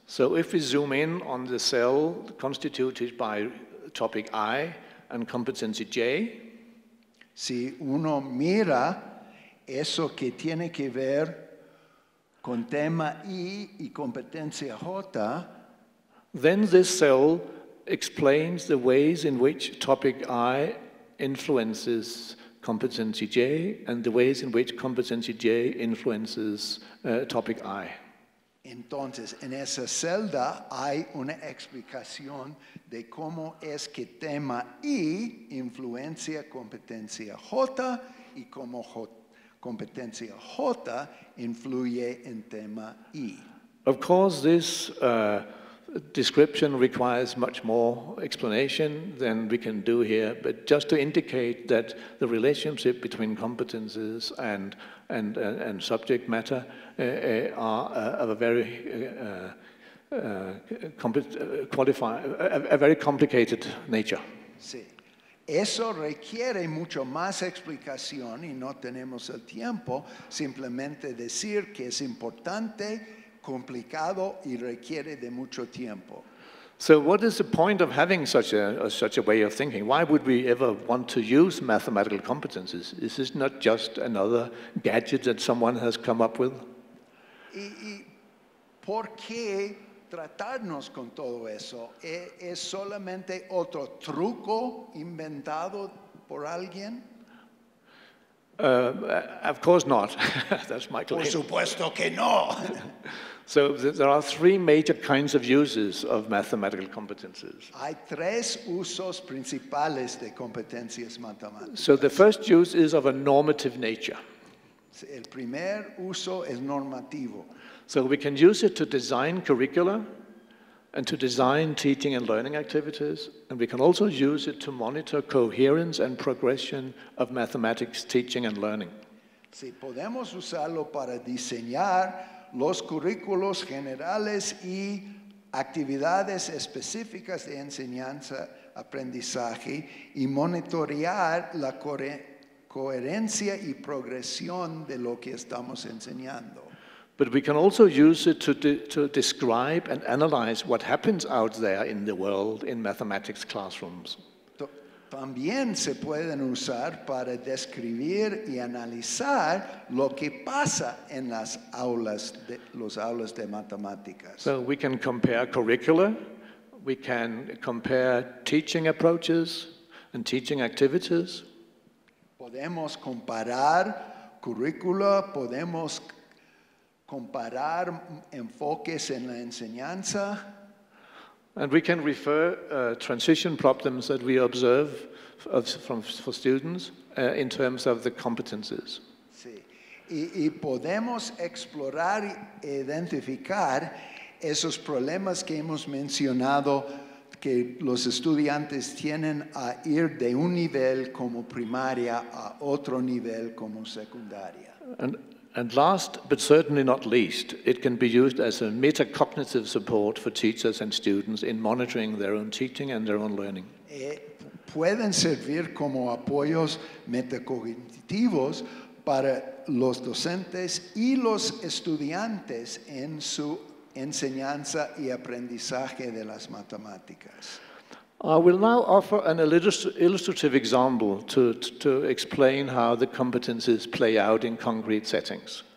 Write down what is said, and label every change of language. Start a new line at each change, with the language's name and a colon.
English: So if we zoom in on the cell constituted by topic I and competency J,
Spanish: si uno mira eso que tiene que ver con tema I y competencia J,
English: then this cell explains the ways in which topic I influences competency J and the ways in which competency J influences topic I.
Spanish: Entonces, en esa celda hay una explicación de cómo es que tema I influencia competencia J y cómo competencia J influye en tema I.
English: Of course, this description requires much more explanation than we can do here, but just to indicate that the relationship between competences and subject matter are of a very a very complicated nature.
Spanish: Sí, eso requiere mucho más explicación y no tenemos el tiempo. Simplemente decir que es importante, complicado y requiere de mucho tiempo.
English: So what is the point of having such a way of thinking? Why would we ever want to use mathematical competences? Is this not just another gadget that someone has come up with?
Spanish: ¿Y por qué tratarnos con todo eso? ¿Es solamente otro truco inventado por alguien?
English: Of course not. That's my claim.
Spanish: Por supuesto que no.
English: So there are three major kinds of uses of mathematical competences.
Spanish: Hay tres usos principales de competencias matemáticas.
English: So the first use is of a normative nature.
Spanish: El primer uso es normativo.
English: So we can use it to design curricula and to design teaching and learning activities, and we can also use it to monitor coherence and progression of mathematics teaching and learning.
Spanish: Sí, podemos usarlo para diseñar los currículos generales y actividades específicas de enseñanza, aprendizaje y monitorear la coherencia y progresión de lo que estamos enseñando.
English: But we can also use it to describe and analyze what happens out there in the world in mathematics classrooms.
Spanish: También se pueden usar para describir y analizar lo que pasa en las aulas de los aulas de matemáticas.
English: So we can compare curricula, we can compare teaching approaches and teaching activities.
Spanish: Podemos comparar currícula, podemos comparar enfoques en la enseñanza.
English: And we can refer transition problems that we observe for students in terms of the competences.
Spanish: Sí. Y podemos explorar y identificar esos problemas que hemos mencionado que los estudiantes tienen a ir de un nivel como primaria a otro nivel como secundaria.
English: And last, but certainly not least, it can be used as a metacognitive support for teachers and students in monitoring their own teaching and their own learning.
Spanish: Pueden servir como apoyos metacognitivos para los docentes y los estudiantes en su enseñanza y aprendizaje de las matemáticas.
English: I will now offer an illustrative example to explain how the competences play out in concrete settings.